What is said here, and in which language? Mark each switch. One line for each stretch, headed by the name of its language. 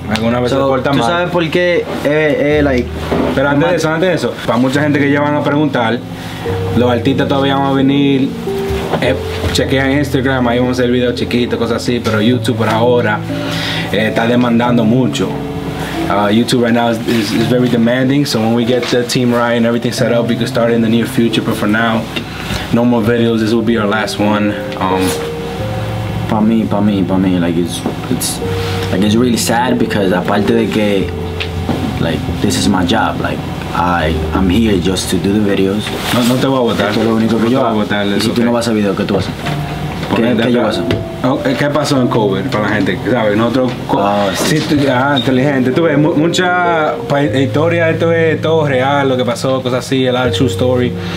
Spanish: Algunas veces corta mal. ¿Tú sabes por qué like? Pero antes de eso, para mucha gente que ya van a preguntar, los artistas todavía van a venir, chequean Instagram, ahí vamos a hacer el video chiquito, cosas así, pero YouTube por ahora está demandando mucho.
English: YouTube right now is very demanding, so when we get the team right and everything set up, we can start in the near future, but for now, no more videos, this will be our last one.
Spanish: Pa' mí,
English: like it's really sad, because
Spanish: aparte de que,
English: like, this is my job, like, I'm here just to do the videos.
Spanish: No te voy a botar. Esto es lo único que yo hago. Y si tú no vas a video, ¿qué tú vas a hacer? ¿Qué pasó en COVID para la gente? ¿Sabes? Nosotros, inteligente. Tú ves, mucha historia, esto es todo real, lo que pasó, cosas así,
English: a lot of true story.